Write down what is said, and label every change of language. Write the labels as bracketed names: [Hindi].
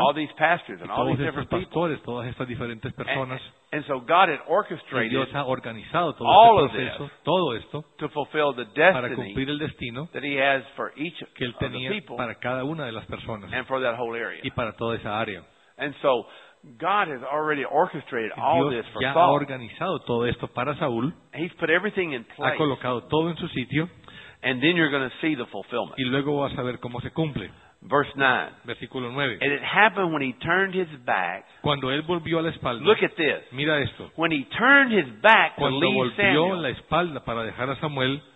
[English] All these pastors and all these different [Spanish] pastores, people. Todas estas diferentes personas. [English] And so God had orchestrated [Spanish] Dios ha organizado todo este proceso, todo esto, [English] to fulfill the destiny [Spanish] para cumplir el destino [English] that he has for each [Spanish] que él tenía [English] of the people [Spanish] para cada una de las personas [English] and for that whole area. [Spanish] Y para toda esa área. [English] And so God has already orchestrated all this for Saul. [Spanish] Ya ha organizado todo esto para Saúl. [English] He's put everything in place. [Spanish] Ha colocado todo en su sitio. [English] And then you're going to see the fulfillment. [Spanish] Y luego vas a ver cómo se cumple. [English] Verse 9. [Spanish] Versículo 9. [English] And it happened when he turned his back. [Spanish] Cuando él volvió a la espalda. [English] Look at this. [Spanish] Mira esto. [English] When he turned his back [Spanish] cuando [English] to leave [Spanish] volvió [English] Samuel. [Spanish] La espalda para dejar a Samuel.